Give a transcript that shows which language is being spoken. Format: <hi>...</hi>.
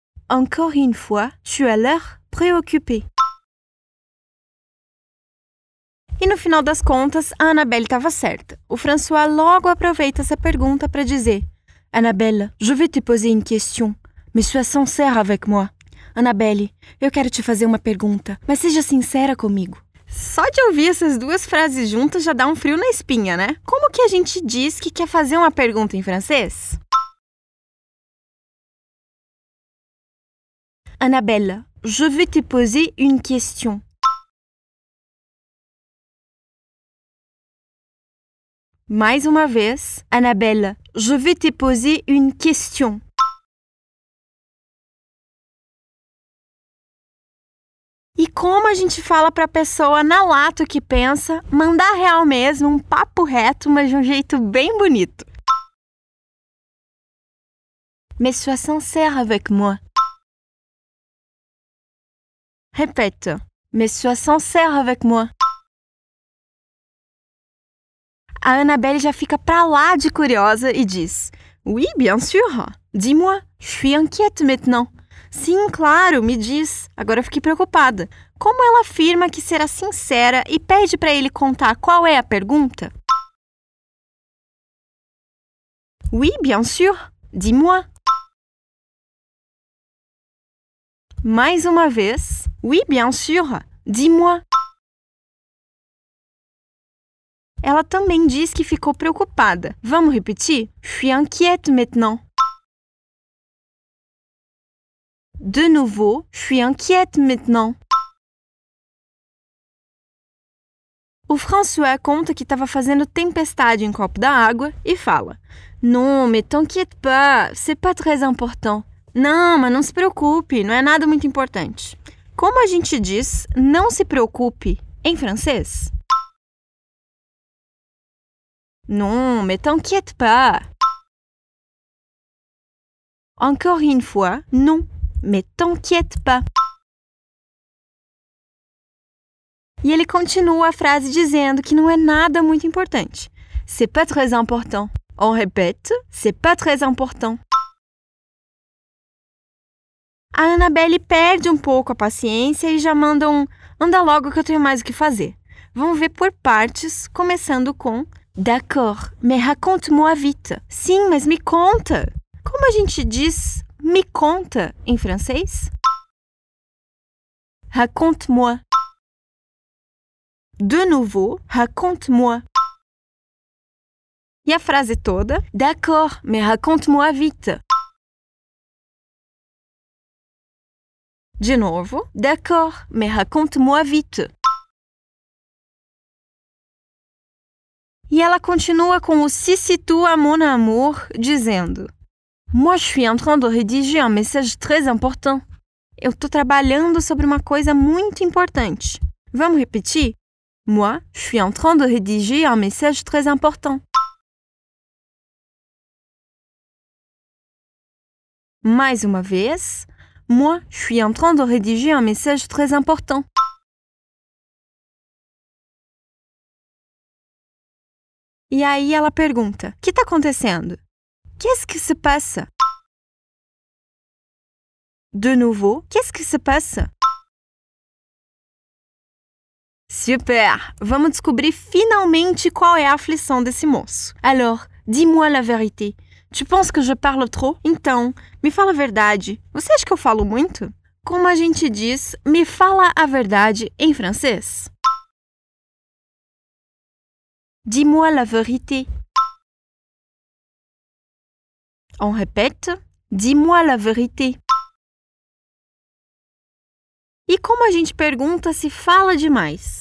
<fr>Encore une fois, tu as l'air préoccupé.</fr> <pt>E no final das contas, a Annabelle estava certa. O François logo aproveita essa pergunta para dizer:</pt> <fr>Annabelle, je vais te poser une question, mais sois sincère avec moi.</fr> <pt>Annabelle, eu quero te fazer uma pergunta, mas seja sincera comigo. Só de ouvir essas duas frases juntas já dá um frio na espinha, né? Como que a gente diz que quer fazer uma pergunta em francês?</pt> <fr>Annabelle, je vais te poser une question.</fr> <pt>Mais uma vez,</pt> <fr>Annabelle, je vais te poser une question.</fr> <pt>E como a gente fala para a pessoa na lata o que pensa, mandar real mesmo, um papo reto, mas de um jeito bem bonito.</pt> <fr>Mais sois sincère avec moi.</fr> <pt>Repete.</pt> <fr>Mais sois sincère avec moi.</fr> <pt>A Annabelle já fica pra lá de curiosa e diz:</pt> <fr>Oui, bien sûr. Dis-moi, je suis inquiète maintenant.</fr> <pt>Sim, claro, me diz. Agora eu fiquei preocupada. Como ela afirma que será sincera e pede pra ele contar qual é a pergunta?</pt> <fr>Oui, bien sûr. Dis-moi.</fr> <pt>Mais uma vez:</pt> <fr>Oui, bien sûr. Dis-moi.</fr> <pt>Ela também diz que ficou preocupada. Vamos repetir?</pt> <fr>Je suis inquiète maintenant. De nouveau, je suis inquiète maintenant.</fr> <pt>O François conta que estava fazendo tempestade em copo d'água e fala:</pt> <fr>Non, mais t'inquiète pas, c'est pas très important.</fr> <pt>Não, mas não se preocupe, não é nada muito importante. Como a gente diz não se preocupe em francês?</pt> <fr>Non, mais t'inquiète pas. Encore une fois, non, mais t'inquiète pas.</fr> <pt>E ele continua a frase dizendo que não é nada muito importante.</pt> <fr>C'est pas très important. On répète, c'est pas très important.</fr> <pt>A Annabelle perde um pouco a paciência e já manda um anda logo que eu tenho mais o que fazer. Vamos ver por partes, começando com</pt> <fr>D'accord, mais raconte-moi vite.</fr> <pt>Sim, mas me conta. Como a gente diz me conta em francês?</pt> <fr>Raconte-moi. De nouveau, raconte-moi.</fr> <pt>E a frase toda?</pt> <fr>D'accord, mais raconte-moi vite.</fr> <pt>De novo.</pt> <fr>D'accord, mais raconte-moi vite.</fr> <pt>E ela continua com o si, si, tu, à mon amour, dizendo:</pt> <fr>Moi, je suis en train de rédiger un message très important.</fr> <pt>Eu estou trabalhando sobre uma coisa muito importante. Vamos repetir?</pt> <fr>Moi, je suis en train de rédiger un message très important. Mais une fois, moi, je suis en train de rédiger un message très important.</fr> <pt>Et aí ela pergunta: Que tá acontecendo?</pt> <fr>Qu'est-ce qui se passe? De nouveau, qu'est-ce qui se passe? Super!</fr> <pt>Vamos descobrir finalmente qual é a aflição desse moço.</pt> <fr>Alors, dis-moi la vérité. Tu penses que je parle trop?</fr> <pt>Então, me fala a verdade. Você acha que eu falo muito? Como a gente diz, me fala a verdade em francês?</pt> <fr>Dis-moi la vérité. On répète, dis-moi la vérité.</fr> <pt>E como a gente pergunta se fala demais?</pt>